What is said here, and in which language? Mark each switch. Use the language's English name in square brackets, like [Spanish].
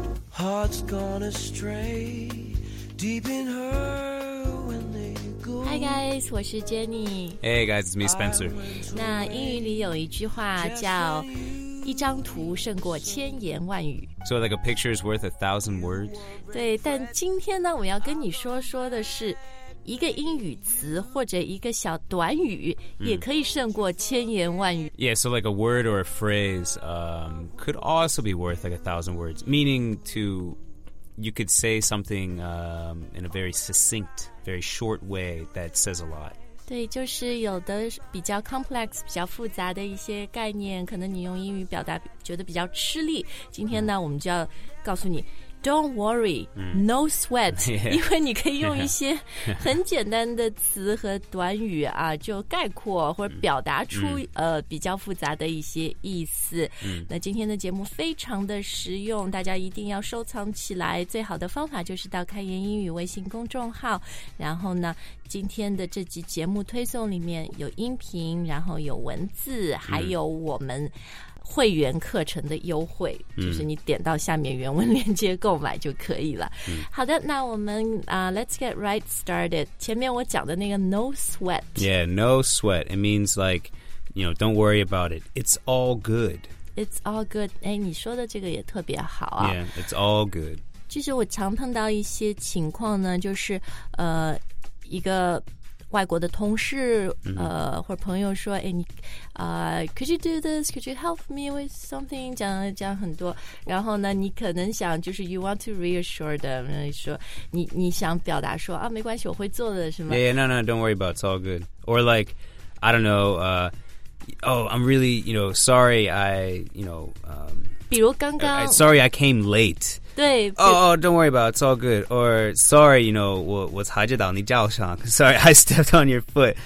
[English] heart's gone astray, deep in her when they go. Hi guys, [Chinese] 我是 [English] Jenny. Hey guys, it's me, Spencer. [Chinese] 那英语里有一句话叫一张图胜过千言万语。 [English] So like a picture is worth a thousand words? [Chinese] 对，但今天呢，我要跟你说的是一个英语词或者一个小短语也可以胜过千言万语。 [English] Yeah, so like a word or a phrase, could also be worth like a thousand words. Meaning to, you could say something, in a very succinct, very short way that says a lot. [Chinese] 对，就是有的比较 complex, 比较复杂的一些概念，可能你用英语表达觉得比较吃力。今天呢，我们就要告诉你 ， [English] Don't worry, no sweat, yeah, [Chinese] 因为你可以用一些很简单的词和短语啊，就概括或者表达出比较复杂的一些意思。那今天的节目非常的实用，大家一定要收藏起来。最好的方法就是到开言英语微信公众号，然后呢。今天的这集节目推送里面有音频，然后有文字，还有我们会员课程的优惠，就是你点到下面原文链接购买就可以了。好的，那我们 [English] let's get right started. [Chinese] 前面我讲的那个 [English] no sweat. Yeah, no sweat. It means like, you know, don't worry about it. It's all good. It's all good. [Chinese] 哎，你说的这个也特别好啊。 [English] Yeah, it's all good. [Chinese] 其实我常碰到一些情况呢，就是一个外国的同事或者朋友说哎，你 [English] could you do this? Could you help me with something? [Chinese] 讲很多，然后呢你可能想就是 [English] you want to reassure them, [Chinese] 说你想表达说啊，没关系，我会做的，是吗？ [English] Yeah, no, don't worry about it, it's all good. Or like, I don't know, I'm really, you know, sorry, I, you know, [Chinese] 比如刚刚 [English] sorry, I came late. [Chinese] 对 [English] oh, don't worry about it, it's all good. Or, sorry, you know, [Chinese] 我察觉到你叫上 [English] Sorry, I stepped on your foot.